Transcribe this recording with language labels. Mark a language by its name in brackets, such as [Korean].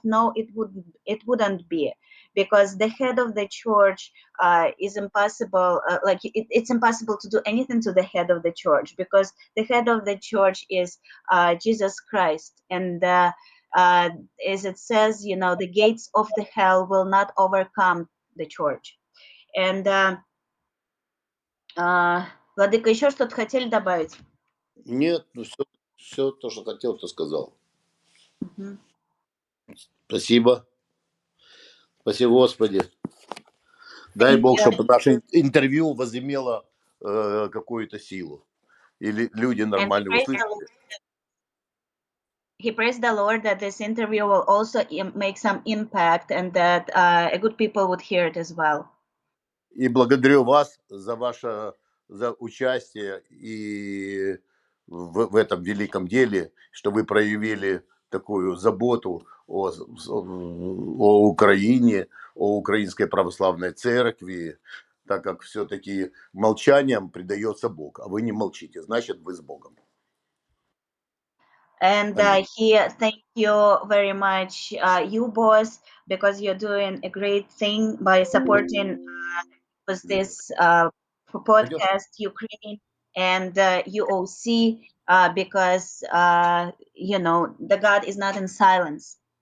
[English] No, it wouldn't be. Because the head of the church is impossible, like it's impossible to do anything to the head of the church, because the head of the church is Jesus Christ. And as it says, you know, the gates of the hell will not overcome the church. [Russian] And Владыка, еще что-то хотели добавить? Нет, ну все то, что хотел, то сказал. Mm-hmm. Спасибо. Спасибо, Господи. Дай Бог, чтобы наше интервью возымело какую-то силу. Или люди нормально услышали. [English] He praised the Lord that this interview will also make some impact and that good people would hear it as well. [Russian] И благодарю вас за ваше за участие и в этом великом деле, что вы проявили такую заботу о Украине, о Украинской Православной Церкви, так как все-таки молчанием предается Бог, а вы не молчите, значит, вы с Богом. [English] And he thank you very much, you boss, because you're doing a great thing by supporting this podcast Ukraine and UOC, because, you know, the God is not in silence.